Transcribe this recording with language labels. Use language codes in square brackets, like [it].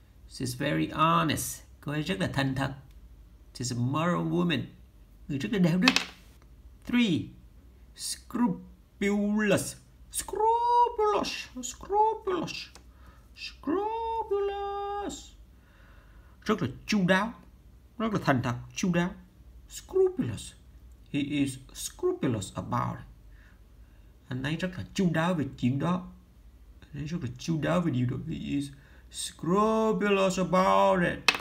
[en] She's very honest. [vi] Cô ấy rất là thành thật. [en] She's a moral woman. [vi] Người rất là đạo đức. Three. [en] Scrupulous. Scrupulous. Scrupulous. Scrupulous. [vi] Rất là chu đáo. Rất là thành thật, chu đáo. [en] Scrupulous. He is scrupulous about it. [vi] Anh ấy rất là chu đáo về chuyện đó. Anh ấy rất là chu đáo về điều đó. [en] He is scrupulous about it.